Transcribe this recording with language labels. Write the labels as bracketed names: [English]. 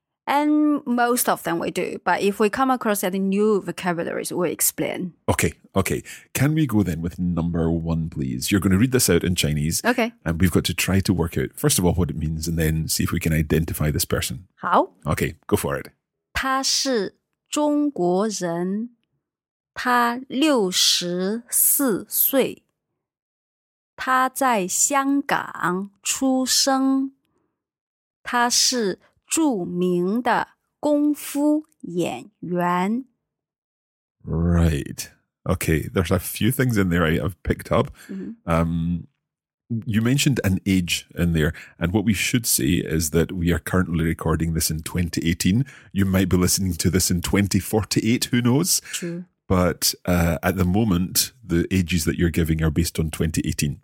[English] And most of them we do. But if we come across any new vocabularies, we'll explain. Okay. Can we go then with number one, please? You're going to read this out in Chinese. Okay. And we've got to try to work out, first of all, what it means, and then see if we can identify this person. How? Okay, go for it. [Chinese] 他是中国人, 他64岁, 他在香港出生, 他是 著名的功夫演员. [English] Right. Okay. There's a few things in there I have picked up. Mm-hmm. You mentioned an age in there. And what we should say is that we are currently recording this in 2018. You might be listening to this in 2048. Who knows? True. But at the moment, the ages that you're giving are based on 2018.